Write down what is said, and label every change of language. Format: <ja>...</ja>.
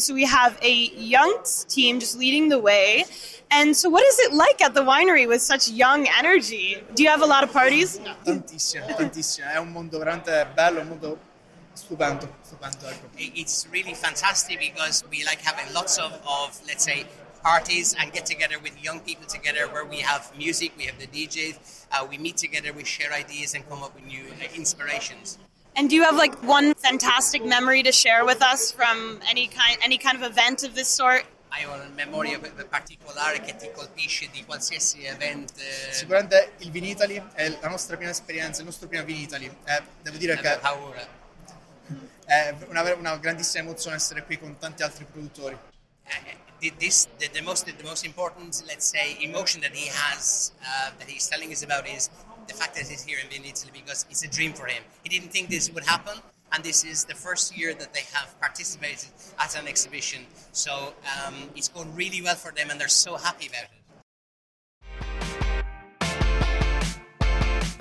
<en>So we have a young team just leading the way. And so what is it like at the winery with such young energy? Do you have a lot of parties?</en> <it>Tantissimo. È un mondo veramente bello, un mondo stupendo.</it> <en>It's really fantastic because we like having lots of let's say parties and get together with young people together where we have music, we have the DJs, we meet together, we share ideas and come up with new inspirations. And do you have like one fantastic memory to share with us from any kind of event of this sort?</en> <it>Hai una memoria particolare che ti colpisce di qualsiasi event? Sicuramente il Vinitaly è la nostra prima esperienza, il nostro primo Vinitaly. Devo dire che paura. È una grandissima emozione essere qui con tanti altri produttori.</it> <en>The most important, let's say, emotion that he has, that he's telling us about is the fact that he's here in Vinitaly because it's a dream for him. He didn't think this would happen, and this is the first year that they have participated at an exhibition. So it's going really well for them, and they're so happy about it.</en>